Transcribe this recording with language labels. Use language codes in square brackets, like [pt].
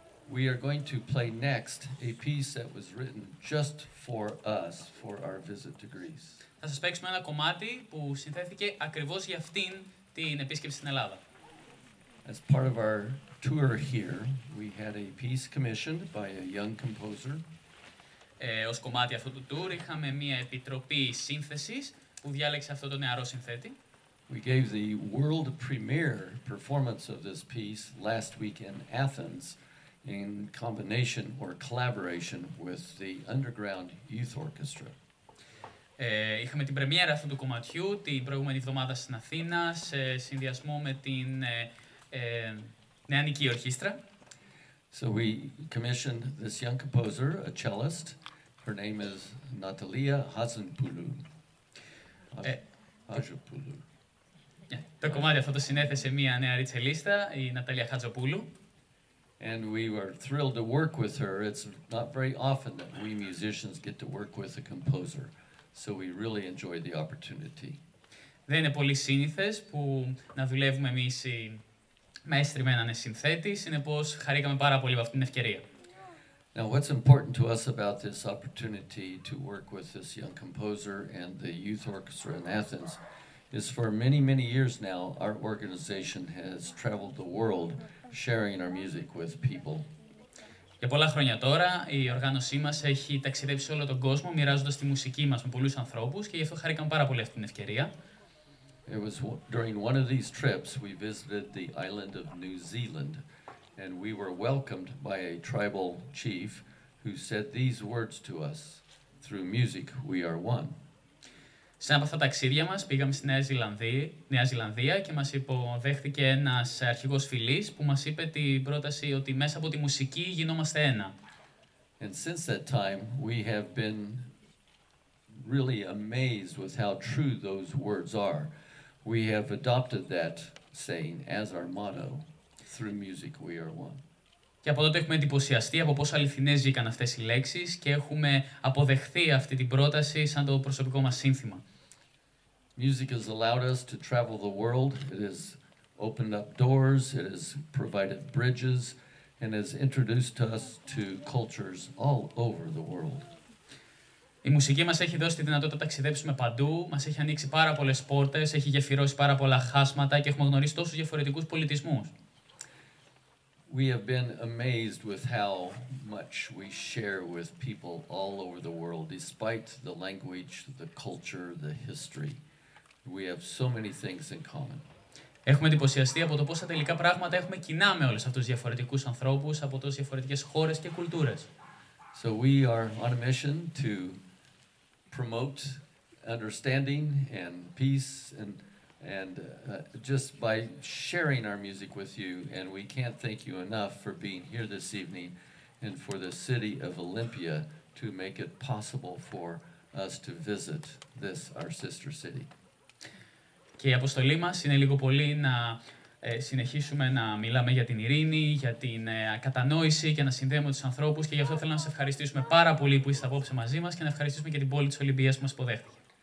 [en] We are going to play next a piece that was written just for us for our visit to Greece. [el] Θα σας παίξουμε ένα κομμάτι που συνθέθηκε ακριβώς για αυτήν την επίσκεψη στην Ελλάδα. [en] As part of our tour here, we had a piece commissioned by a young composer. [el] Ως κομμάτι αυτού του tour είχαμε μια επιτροπή σύνθεσης που διάλεξε αυτό το νεαρό συνθέτη. [en] We gave the world premiere performance of this piece last week in Athens in combination or collaboration with the Underground Youth Orchestra. [el] Είχαμε την πρεμιέρα αυτού του κομματιού την προηγούμενη εβδομάδα στην Αθήνα σε συνδυασμό με την Νεανική Ορχήστρα. [en] So we commissioned this young composer, a cellist. Her name is Natalia Hatzopoulou. Hatzopoulou. [el] Το κομμάτι αυτό το συνέθεσε μια νεαρή τσελίστα, η Natalia Hatzopoulou. [en] And we were thrilled to work with her. It's not very often that we musicians get to work with a composer. So we really enjoyed the opportunity. [el] Δεν είναι πολύ σύνηθες που να δουλεύουμε εμείς οι μαέστροι με έναν συνθέτη, συνεπώς χαρήκαμε πάρα πολύ από αυτήν την ευκαιρία. [en] Now, what's important to us about this opportunity to work with this young composer and the youth orchestra in Athens is for many, many years now, our organization has traveled the world sharing our music with people. [el] Για πολλά χρόνια τώρα, η οργάνωσή μας έχει ταξιδέψει σε όλο τον κόσμο, μοιράζοντας τη μουσική μας με πολλούς ανθρώπους και γι' αυτό χαρήκαμε πάρα πολύ αυτήν την ευκαιρία. [en] It was during one of these trips we visited the island of New Zealand, and we were welcomed by a tribal chief who said these words to us, "Through music we are one." [el] Σε ένα από αυτά τα ταξίδια μας πήγαμε στη Νέα Ζηλανδία και μας υποδέχθηκε ένας αρχηγός φυλής που μας είπε την πρόταση ότι μέσα από τη μουσική γινόμαστε ένα. [en] And since that time, we have been really amazed with how true those words are. We have adopted that saying as our motto, "Through music we are one." [el] Και από τότε έχουμε εντυπωσιαστεί από πόσο αληθινές βγήκαν αυτές οι λέξεις και έχουμε αποδεχθεί αυτή την πρόταση σαν το προσωπικό μας σύνθημα. [en] Music has allowed us to travel the world. It has opened up doors, it has provided bridges, and has introduced us to cultures all over the world. [el] Η μουσική μας έχει δώσει τη δυνατότητα να ταξιδέψουμε παντού, μας έχει ανοίξει πάρα πολλές πόρτες, έχει γεφυρώσει πάρα πολλά χάσματα και έχουμε γνωρίσει τόσους διαφορετικούς πολιτισμούς. [en] We have been amazed with how much we share with people all over the world, despite the language, the culture, the history. We have so many things in common. [el] Έχουμε εντυπωσιαστεί από το πόσα τελικά πράγματα έχουμε κοινά με όλους αυτούς τους διαφορετικούς ανθρώπους από τόσες διαφορετικές χώρες και κουλτούρες. [en] So we are on a mission to promote understanding and peace and just by sharing our music with you, and we can't thank you enough for being here this evening and for the city of Olympia to make it possible for us to visit this, our sister city. [el] Και η αποστολή μας είναι λίγο πολύ να συνεχίσουμε να μιλάμε για την ειρήνη, για την κατανόηση και να συνδέουμε τους ανθρώπους και γι' αυτό θέλω να σας ευχαριστήσουμε πάρα πολύ που είστε απόψε μαζί μας και να ευχαριστήσουμε και την πόλη της Ολυμπίας που μας υποδέχτηκε.